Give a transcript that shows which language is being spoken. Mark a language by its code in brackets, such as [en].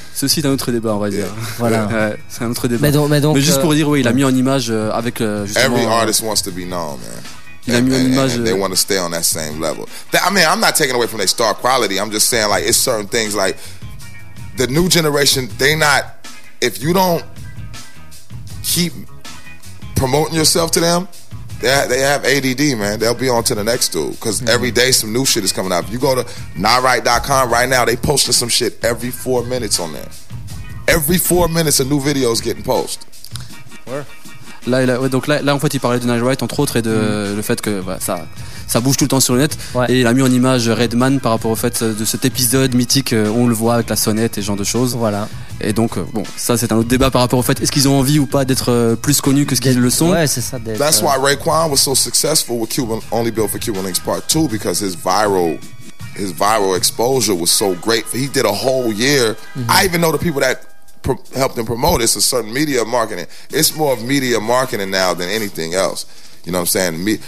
[fr] Ceci est un autre débat, on va dire. Voilà. C'est un autre débat. Mais donc juste pour dire, oui, il a mis en image avec. [en] Every artist wants to be known, man. And they want to stay on that same level. I mean, I'm not taking away from their star quality. I'm just saying, like, it's certain things. Like, the new generation, they not... If you don't keep promoting yourself to them, they have ADD, man. They'll be on to the next dude. Because every day, some new shit is coming out. If you go to notright.com right now, they posting some shit every 4 minutes on there. Every 4 minutes, a new video is getting posted. Where? [fr] Là, en fait, il parlait de Nigel Wright, entre autres, et de le fait que voilà, ça bouge tout le temps sur le net. Ouais. Et il a mis en image Redman par rapport au fait de cet épisode mythique où on le voit avec la sonnette et ce genre de choses. Voilà. Et donc, bon, ça, c'est un autre débat par rapport au fait est-ce qu'ils ont envie ou pas d'être plus connus que ce qu'ils le sont. Ouais, c'est ça. [en] That's why Raekwon was so successful with Cuban, Only Built for Cuban Links Part 2, because his viral exposure was so great. He did a whole year. Mm-hmm. I even know the people that helped him promote. It's a certain media marketing. It's more of media marketing now than anything else. You know what I'm saying?